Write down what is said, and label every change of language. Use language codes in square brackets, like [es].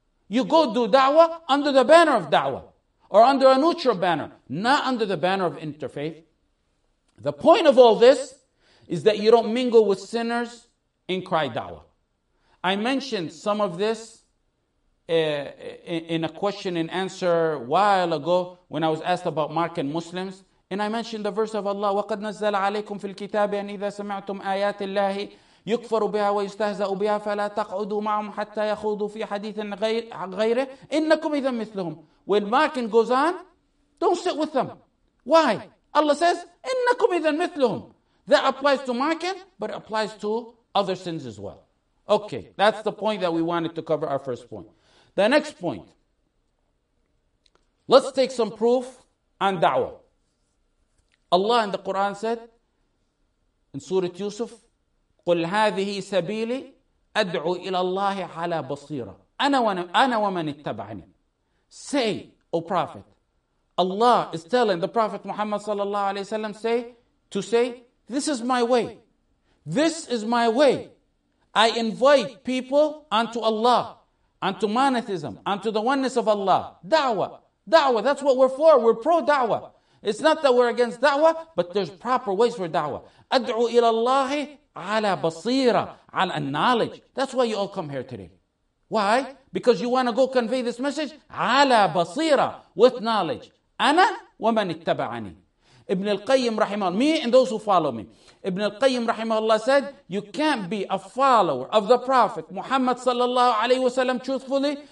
[en] You go do da'wah under the banner of da'wah, or under a neutral banner, not under the banner of interfaith. The point of all this is that you don't mingle with sinners and cry da'wah. I mentioned some of this in a question and answer while ago when I was asked about Mark and Muslims. [ar] And I mentioned the verse of Allah, وَقَدْ نَزَّلَ عَلَيْكُمْ فِي الْكِتَابِ أَنْ إِذَا سَمِعْتُمْ آيَاتِ اللَّهِ يُكْفَرُ بِهَا وَيُسْتَهْزَأُ بِهَا فَلَا تَقْعُدُوا مَعَهُمْ حَتَّى يَخُوضُوا فِي حَدِيثٍ غَيْرِهِ إِنَّكُمْ إِذَا مِثْلُهُمْ. [en] When Mark goes on, don't sit with them. Why? Allah says, [ar] إِنَّكُمْ إِذَا مِثْلُهُمْ. [en] That applies to Mark, but it applies to other sins as well. Okay, that's the point that we wanted to cover, our first point. The next point. Let's take some proof on da'wah. [ar] Allah in the Quran said, in Surah Yusuf, قُلْ هَذِهِ سَبِيلِي أَدْعُوا إِلَى اللَّهِ عَلَى بَصِيرًا أَنَا وَمَنِ اتَّبَعَنِي. [en] Say, O Prophet, Allah is telling the Prophet Muhammad sallallahu alayhi wa sallam, say, this is my way. This is my way. I invite people unto Allah, unto monotheism, unto the oneness of Allah. Da'wah, that's what we're for. We're pro-da'wah. It's not that we're against da'wah, but there's proper ways for da'wah. [ar] أَدْعُوا إِلَى اللَّهِ عَلَى بَصِيرًا عَلَى knowledge. [en] That's why you all come here today. Why? Because you want to go convey this message [ar] عَلَى بَصِيرًا [en] with knowledge. [ar] أَنَا وَمَنِ اتَّبَعَنِي. [en] Ibn al-Qayyim رحمه الله, me and those who follow me. Ibn al-Qayyim رحمه الله said, you can't be a follower of the Prophet Muhammad sallallahu alayhi wa sallam truthfully.